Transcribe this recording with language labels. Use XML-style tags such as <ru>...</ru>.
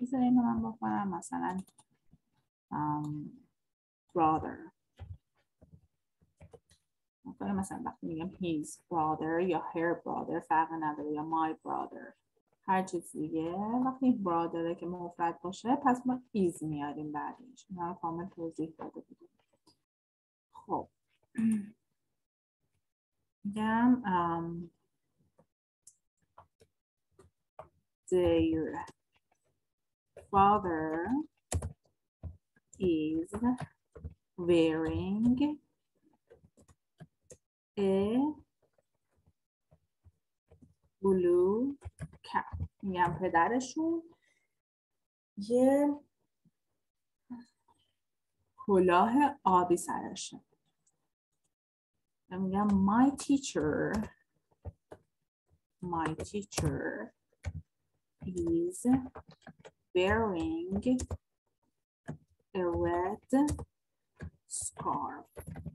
<fa>بذاره اینو من بخونم، مثلا brother. مثلا وقتی میگم</fa> <en>his brother</en> <fa>یا</fa> <en>her brother</en> <fa>فرق نداره، یا</fa> <en>my brother،</en> <fa>هر چیز دیگه وقتی برادره که مفرد باشه پس ما is میاریم بعدش. اینا رو کامل توضیح داده بودیم. خب میگم</fa> <en>their father is wearing a blue cap.</en> <fa>میگم پدرشون یه کلاه آبی سرشه.</fa> <en>میگم my teacher is wearing a red scarf.</en>